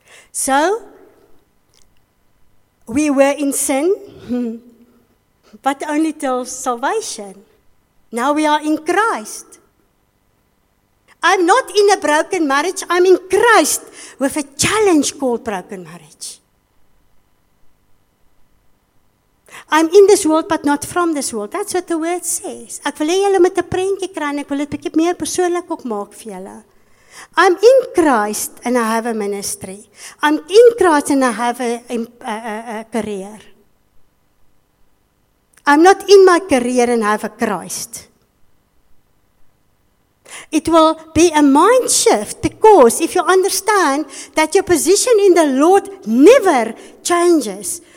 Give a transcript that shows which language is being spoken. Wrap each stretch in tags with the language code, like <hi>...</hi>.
<en>So, we were in sin, but only till salvation. Now we are in Christ. I'm not in a broken marriage. I'm in Christ with a challenge called broken marriage. I'm in this world, but not from this world. That's what the word says.</en> <af>Ek wil hê julle moet 'n prentjie kry en ek wil dit 'n bietjie meer persoonlik ook maak vir julle.</af> <en>I'm in Christ and I have a ministry. I'm in Christ and I have a career. I'm not in my career and I have a Christ. It will be a mind shift because if you understand that your position in the Lord never changes,</en>